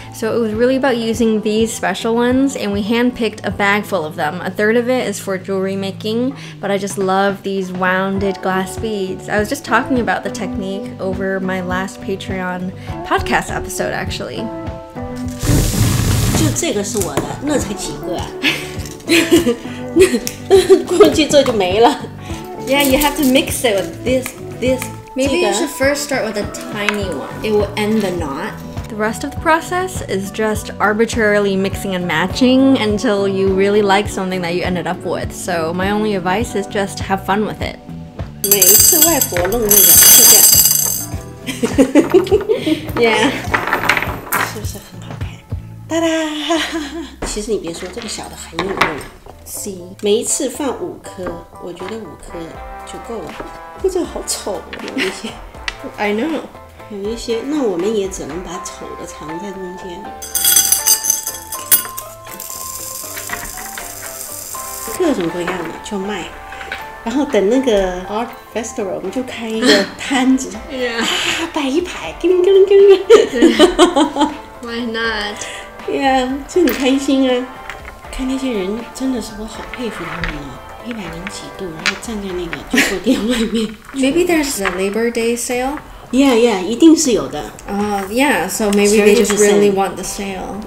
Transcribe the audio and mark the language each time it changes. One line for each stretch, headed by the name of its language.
English: So it was really about using these special ones, and we handpicked a bag full of them. A third of it is for jewelry making, but I just love these wounded glass beads. I was just talking about the technique over my last Patreon podcast episode, actually.
Chinese: 就这个是我的，那才几个啊？过去这就没了。
English: Yeah, you have to mix it with this. Maybe you should first start with a tiny one. It will end the knot. The rest of the process is just arbitrarily mixing and matching until you really like something that you ended up with. So my only advice is just have fun with it.
Chinese: 每一次外婆弄那个，就这样。
English: Yeah.
Chinese: 是不是很好看？哒哒。其实你别说，这个小的很有用。
English: See.
Chinese: 每一次放五颗，我觉得五颗就够了。不知道好丑，有一些。
English: I know.
Chinese: 有一些，那我们也只能把丑的藏在中间。各种各样的就卖，然后等那个 art festival， 我们就开一个摊子，
English: yeah.
Chinese: 摆一排，叮叮叮叮。
English: Why not? Yeah，
Chinese: 就很开心啊。看那些人真的是我好佩服他们啊，一百零几度，然后站在那个酒店外面。
English: Maybe there's a Labor Day sale. Yeah, yeah,
Chinese: 一定是有的.
English: Yeah, so maybe they just really want the sale.